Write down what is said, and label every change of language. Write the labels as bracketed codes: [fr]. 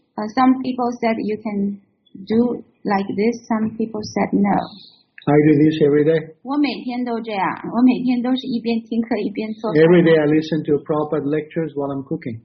[en] Some people said you can do like this. Some people said no. I do this every day. [zh] 我每天都这样，我每天都是一边听课一边做饭。 [en] Every day I listen to Prabhupada lectures while I'm cooking.